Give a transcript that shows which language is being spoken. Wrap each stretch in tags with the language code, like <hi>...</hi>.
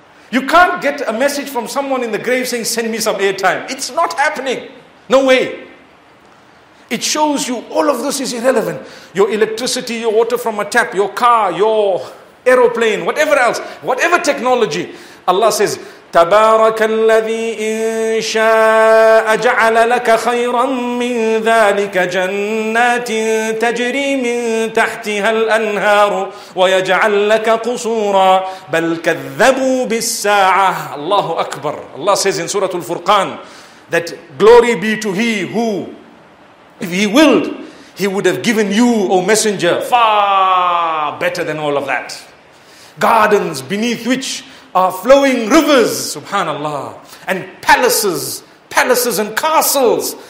<en>You can't get a message from someone in the grave saying, send me some airtime. It's not happening. No way. It shows you all of this is irrelevant. Your electricity, your water from a tap, your car, your aeroplane, whatever else, whatever technology. Allah says,</en> <ar>تَبَارَكَ الَّذِي إِن شَاءَ جَعَلَ لَكَ خَيْرًا مِّن ذَٰلِكَ جَنَّاتٍ تَجْرِي مِّن تَحْتِهَا الْأَنْهَارُ وَيَجْعَلْ لَكَ قُصُورًا بَلْ كَذَّبُوا بِالسَّاعَةِ. Allahu Akbar.</ar> <en>Allah says in Surah Al-Furqan that glory be to He who, if He willed, He would have given you, O Messenger, far better than all of that. Gardens beneath which are flowing rivers, subhanallah, and palaces and castles.</en>